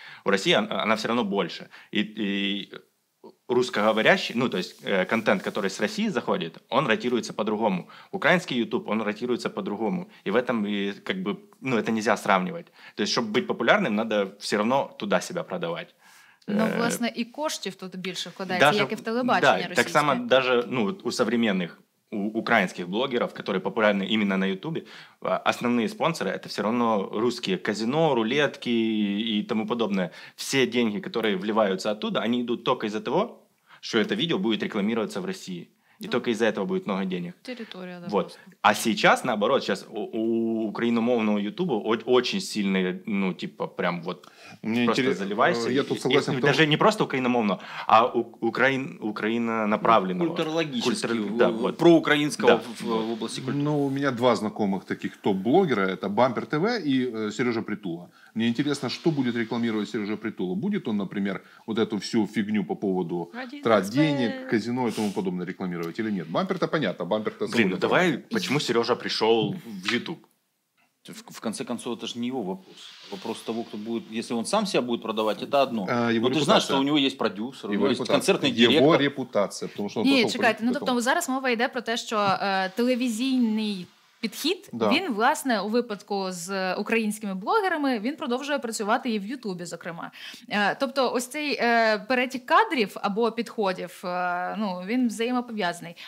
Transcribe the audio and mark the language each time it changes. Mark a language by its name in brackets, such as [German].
[Russian] У России она все равно больше. И русскоговорящий, ну то есть контент, который с России заходит, он ротируется по-другому. Украинский YouTube, он ротируется по-другому. И в этом как бы, ну это нельзя сравнивать. То есть чтобы быть популярным, надо все равно туда себя продавать. [Ukrainian] Ну, власне, і коштів тут більше вкладається, даже, як і в телебачення російське. Так само, навіть ну, у сучасних, у українських блогерів, які популярні іменно на Ютубі, основні спонсори – це все одно русські казино, рулетки і тому подобне. Всі гроші, які вливаються оттуда, вони йдуть тільки із-за того, що це відео буде рекламуватися в Росії. [Russian] И только из-за этого будет много денег. Территория, да. Вот. А сейчас, наоборот, сейчас у украиномовного Ютуба очень сильный, ну, типа, прям вот мне просто заливайся. Я тут согласен. И, даже не просто украиномовного, а украинонаправленного. Культурологического. Проукраинского в области культуры. Ну, у меня два знакомых таких топ-блогера. Это Бампер ТВ и Сережа Притула. Мне интересно, что будет рекламировать Сережа Притула. Будет он, например, вот эту всю фигню по поводу трат денег, казино и тому подобное рекламировать? Или нет? Бампер-то понятно, бампер-то... Блин, ну давай, почему Сережа пришел в YouTube? В конце концов, это же не его вопрос. Вопрос того, кто будет... Если он сам себя будет продавать, это одно. А, ну репутация. Ты знаешь, что у него есть продюсер, у него есть концертный директор. Его репутация, потому что он... [Ukrainian] Ні, чекайте, ну тобто зараз мова йде про те, що телевізійний підхід, [Russian] да. [Ukrainian] Він, власне, у випадку з українськими блогерами, він продовжує працювати і в Ютубі, зокрема. Тобто, ось цей перетік кадрів або підходів, ну, він взаємопов'язаний.